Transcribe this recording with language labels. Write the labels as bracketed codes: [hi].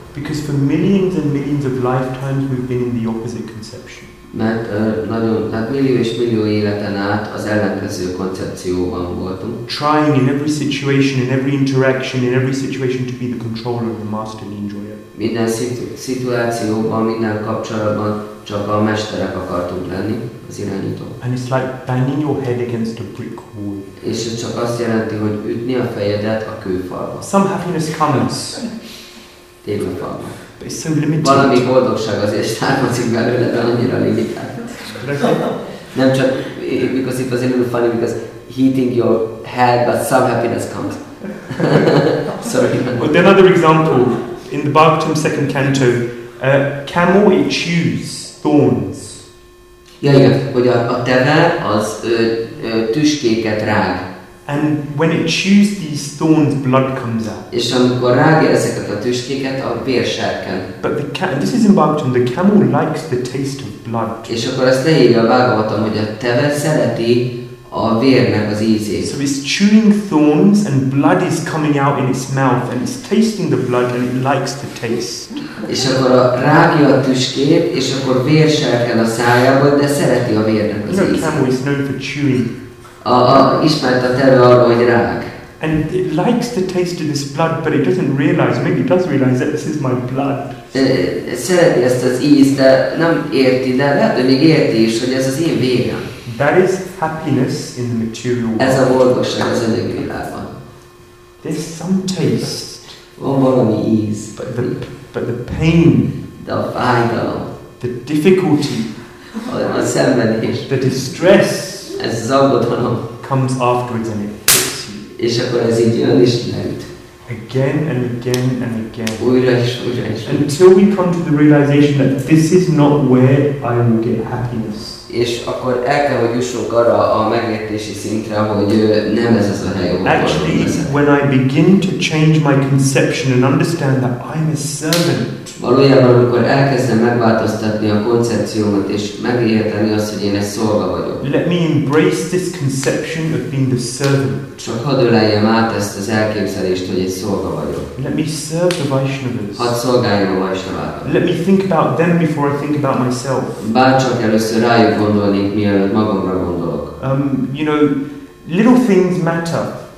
[en] Because for millions and millions of lifetimes we've been in the opposite conception. [hu] Mert millió és millió életen át az ellenkező koncepcióban voltunk. [en] Trying in every situation, in every interaction, in every situation to be the controller, the master, the enjoyer. [hu] Minden szituációban, minden kapcsolatban csak a mesterek akartunk lenni, az irányítók. [en] And it's like banging your head against a brick wall. [hu] És ez csak azt jelenti, hogy ütni a fejedet a kőfalba. [en] Some happiness comes. [hu] Tényleg falban. [en] But it's so limited. [hu] Valami boldogság azért származik belőle, de annyira limitált. Nem csak, [en] because it was a little funny, because heating your head, but some happiness comes. Sorry. But then another example, in the Bhagavatam second canto, camel, it chews thorns. [hu] Ja, hogy a teve az tüskéket rág. [en] And when it chews these thorns, blood comes out. [hu] És amikor rágja ezeket a tüskéket, a vér serken. [en] But the this is in Bhagavatam, the camel likes the taste of blood. [hu] És akkor ezt leírja a Bhagavatam, hogy a teve szereti a vérnek az ízét. [en] So it's chewing thorns and blood is coming out in its mouth and it's tasting the blood and it likes the taste. [hu] És akkor rágja a tüskét, és akkor vér serken a szájában, de szereti a vérnek az ízét. [en] You know, camel is known for chewing. [hu] A ismert a terve arra, hogy rág. [en] And it likes the taste of this blood, but it doesn't realize, maybe it does realize that this is my blood. [hu] Szereti ezt az ízt, de nem érti, de lehet, hogy még érti is, hogy ez az én vérem. [en] That is happiness in the material world. [hu] Ez a boldogság az anyagi világban. [en] There's some taste. [hu] Van valami íz. [en] But the pain. [hu] De a fájdalom. [en] The difficulty. [hu] A szenvedés. [en] The distress. [hu] Ez az aggodalom. [en] Comes afterwards and it hits you. [hu] És akkor ez így jön és leüt. [en] Again and again and again. [hu] Újra és újra és újra. [en] Until we come to the realization that this is not where I will get happiness. [hu] És akkor el kell, hogy jussunk arra a megértési szintre, hogy nem ez az a hely, ahol [en] actually, when I begin to change my conception and understand that I'm a servant. [hu] Valójában, amikor elkezdem megváltoztatni a koncepciómat és megérteni azt, hogy én egy szolga vagyok. [en] Let me embrace this conception of being the servant. [hu] Csak hadd öleljem át ezt az elképzelést, hogy egy szolga vagyok. [en] Let me serve the Vaishnavas. [hu] Hadd szolgáljam a Vaishnavákat. [en] Let me think about them before I think about myself. [hu] Bárcsak először rájuk gondolnék, mielőtt magamra gondolok. [en] You know, little things matter.